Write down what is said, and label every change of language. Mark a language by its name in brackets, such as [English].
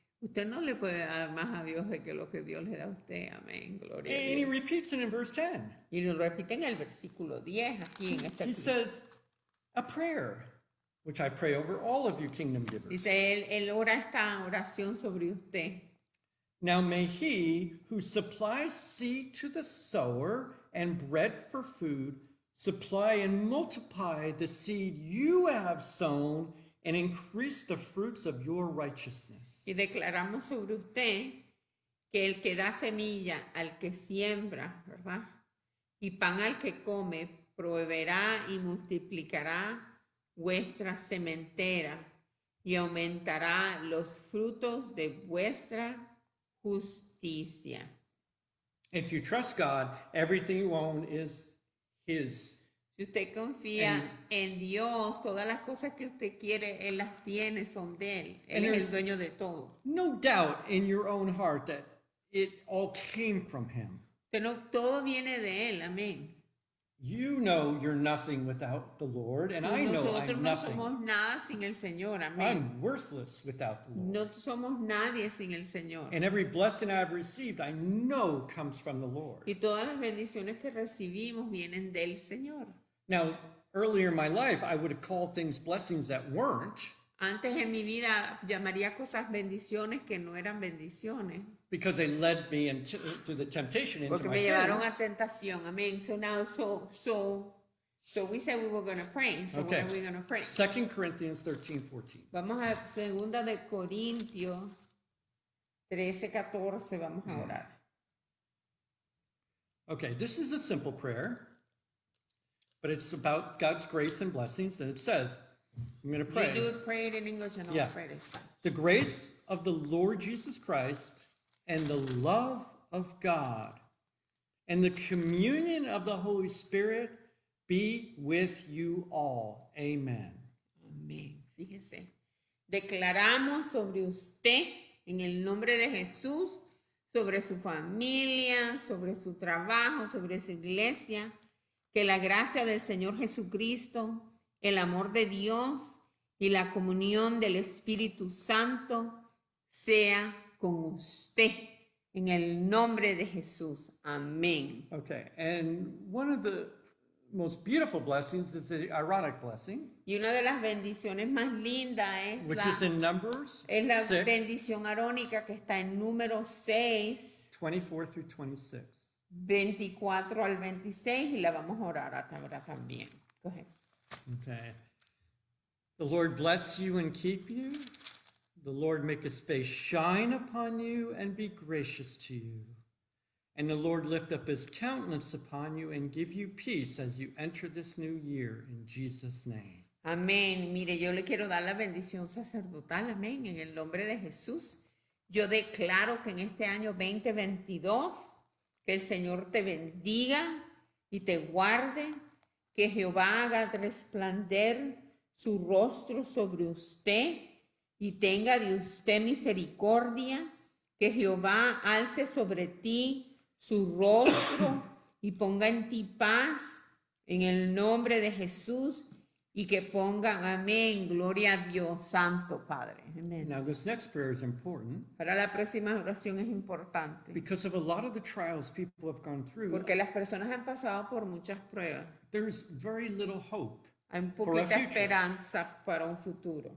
[Spanish] Usted no le puede dar más a Dios de que lo que Dios le da a usted. Amén. Gloria a Dios. [English] And he repeats it in verse 10. [Spanish] Y lo repite en el versículo 10 aquí en este [English] He says, a prayer, which I pray over all of you kingdom givers. [Spanish] Dice, él ora esta oración sobre usted. [English] Now may he who supplies seed to the sower and bread for food supply and multiply the seed you have sown and increase the fruits of your righteousness. [Spanish] Y declaramos sobre usted que el que da semilla al que siembra, ¿verdad? Y pan al que come, proveerá y multiplicará vuestra sementera y aumentará los frutos de vuestra justicia. [English] If you trust God, everything you own is his. [Spanish] Si usted confía en Dios, todas las cosas que usted quiere, Él las tiene, son de Él. Él es el dueño de todo. [English] No doubt in your own heart that it all came from Him. [Spanish] Pero todo viene de Él, amén. [English] You know you're nothing without the Lord, and I know I'm nothing. [Spanish] Nosotros no somos nada sin el Señor, amén. [English] I'm worthless without the Lord. [Spanish] No somos nadie sin el Señor. [English] And every blessing I've received, I know comes from the Lord. [Spanish] Y todas las bendiciones que recibimos vienen del Señor. [English] Now, earlier in my life, I would have called things blessings that weren't. [Spanish] Antes en mi vida llamaría cosas bendiciones que no eran bendiciones. [English] Because they led me into the temptation into my sins. [Spanish] Porque me llevaron a tentación. [English] Amen. So now, so we said we were going to pray. So okay. When are we going to pray? 2 Corinthians 13:14. [Spanish] Vamos a segunda de Corintio 13:14. Vamos a orar. [English] Okay, this is a simple prayer, but it's about God's grace and blessings, and it says, I'm going to pray. You do pray it in English, and I'll pray it in Spanish. The grace of the Lord Jesus Christ and the love of God and the communion of the Holy Spirit be with you all. Amen. [Spanish] Amén. Fíjese. Declaramos sobre usted en el nombre de Jesús, sobre su familia, sobre su trabajo, sobre su iglesia, que la gracia del Señor Jesucristo, el amor de Dios y la comunión del Espíritu Santo sea con usted En el nombre de Jesús. Amén. [English] Okay, and one of the most beautiful blessings is the Aaronic blessing. [Spanish] Y una de las bendiciones más lindas es [English] which [Spanish] la, [English] is in Numbers [Spanish] es la [English] 6, [Spanish] bendición arónica que está en número 6. [English] 24 through 26. [Spanish] 24 al 26 y la vamos a orar hasta ahora también. [English] Go ahead. Okay. The Lord bless you and keep you. The Lord make his face shine upon you and be gracious to you. And the Lord lift up his countenance upon you and give you peace as you enter this new year in Jesus' name. [Spanish] Amén. Mire, yo le quiero dar la bendición sacerdotal. Amén. En el nombre de Jesús. Yo declaro que en este año 2022, que el Señor te bendiga y te guarde, que Jehová haga resplandecer su rostro sobre usted y tenga de usted misericordia, que Jehová alce sobre ti su rostro y ponga en ti paz en el nombre de Jesús. Y que pongan, amén, gloria a Dios, Santo Padre. Amén. [English] Now this next prayer is important. [Spanish] Para la próxima oración es importante. [English] Because of a lot of the trials people have gone through. [Spanish] Porque las personas han pasado por muchas pruebas. [English] There's very little hope [Spanish] hay un poquito de esperanza para un futuro.